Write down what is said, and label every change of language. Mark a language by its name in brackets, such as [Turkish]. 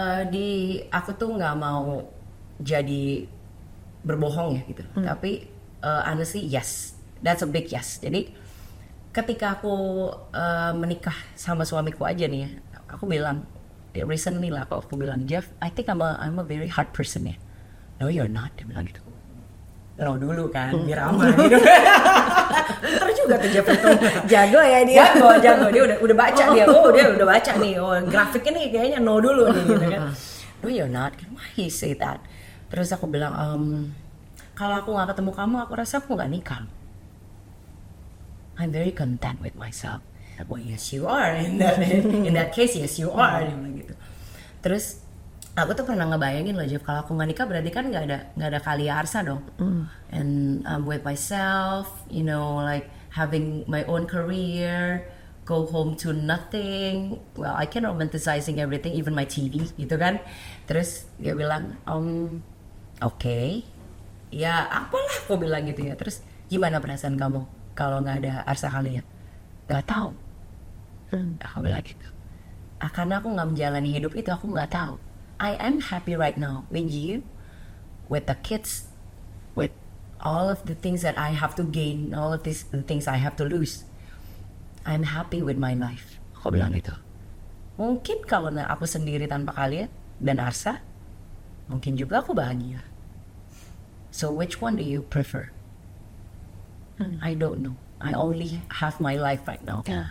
[Indonesian] Di aku tuh nggak mau jadi berbohong ya gitu. Tapi [English] honestly yes, that's a big yes. [Indonesian] Jadi ketika aku menikah sama suamiku aja nih ya, aku bilang recently lah, aku bilang, Jeff, [English] I think I'm a very hard person [Indonesian] ya. [English] No you're not, [Indonesian] dia bilang gitu. Lalu dulu kan biar aman gitu. Terus juga tuh Jeff itu jago ya dia. Jago dia udah baca dia. Oh dia udah baca nih. Oh grafik ini kayaknya no dulu nih gitu kan. [English] No you're not. Why he say that? [Indonesian] Terus aku bilang, kalau aku gak ketemu kamu, aku rasa aku gak nikah. [English] I'm very content with myself. Well, yes you are. In that case, yes you are. [Indonesian] Gitu. Terus, aku tuh pernah ngebayangin loh, Jeff, kalau aku gak nikah berarti kan gak ada Kahlia Arsy dong. [English] And I'm with myself, you know, like having my own career, go home to nothing. Well, I can romanticizing everything, even my TV, [Indonesian] gitu kan. Terus dia bilang, [English] okay. [Indonesian] Ya apalah aku bilang gitu ya. Terus gimana perasaan kamu kalau gak ada Arsy Kahlia? Gak tau. Aku bilang gitu. Karena aku gak menjalani hidup itu, aku gak tau. [English] I am happy right now with you, with the kids, with all of the things that I have to gain, all of these things I have to lose. I'm happy with my life. [Indonesian] Aku bilang gitu. Mungkin kalau aku sendiri tanpa Kahlia dan Arsy, mungkin juga aku bahagia. [English] So which one do you prefer? I don't know. I only have my life right now.